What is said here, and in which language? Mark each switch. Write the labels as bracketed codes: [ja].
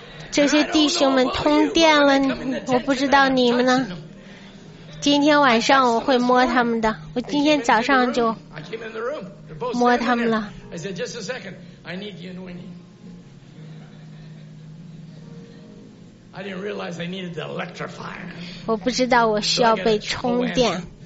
[zh] 这些弟兄们通电了，我不知道你们呢。今天晚上我会摸他们的，我今天早上就摸他们了。 [en] I need the anointing. I didn't realize I needed the electrifier. [zh] 我不知道我需要被充电。